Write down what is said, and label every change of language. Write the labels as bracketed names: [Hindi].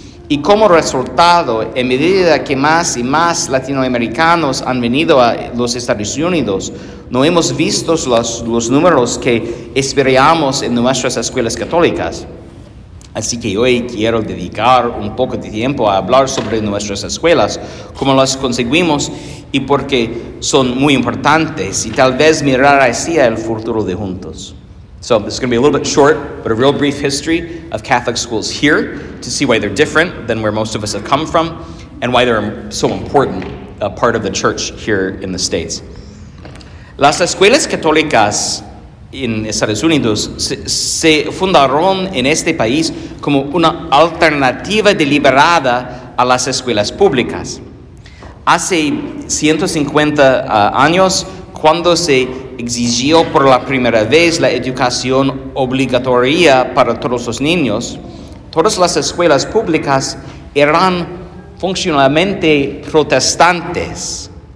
[Spanish] Y como resultado, en medida que más y más latinoamericanos han venido a los Estados Unidos, no hemos visto los números que esperamos en nuestras escuelas católicas. Así que hoy quiero dedicar un poco de tiempo a hablar sobre nuestras escuelas, cómo las conseguimos y por qué son muy importantes, y tal vez mirar hacia el futuro de juntos. [English] So this is going to be a little bit short, but a real brief history of Catholic schools here to see why they're different than where most of us have come from and why they're so important, a part of the church here in the States. [Spanish] Las escuelas católicas en Estados Unidos se fundaron en este país como una alternativa deliberada a las escuelas públicas. Hace 150 años, cuando se exigió por la primera vez la educación obligatoria para todos los niños, todas las escuelas públicas eran funcionalmente protestantes.